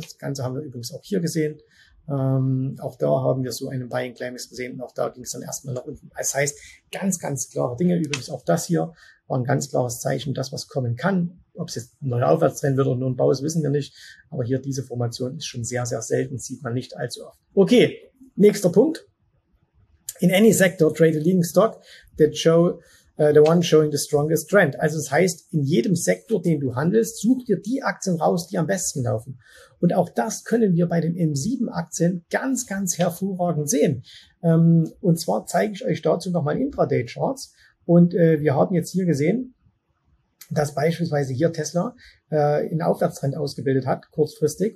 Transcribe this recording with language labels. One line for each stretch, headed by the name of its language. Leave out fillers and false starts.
German: Das Ganze haben wir übrigens auch hier gesehen. Auch da haben wir so einen Buying Climax gesehen und auch da ging es dann erstmal nach unten. Das heißt, ganz, ganz klare Dinge. Übrigens auch das hier war ein ganz klares Zeichen, das, was kommen kann. Ob es jetzt ein neuer Aufwärtstrend wird oder nur ein Bau ist, wissen wir nicht. Aber hier diese Formation ist schon sehr, sehr selten, sieht man nicht allzu oft. Okay, nächster Punkt.
English: In any sector, trade a leading stock that show the one showing the strongest trend.
German: Also das heißt, in jedem Sektor, den du handelst, such dir die Aktien raus, die am besten laufen. Und auch das können wir bei den M7-Aktien ganz, ganz hervorragend sehen. Und zwar zeige ich euch dazu nochmal Intraday-Charts. Und wir haben jetzt hier gesehen, dass beispielsweise hier Tesla einen Aufwärtstrend ausgebildet hat, kurzfristig.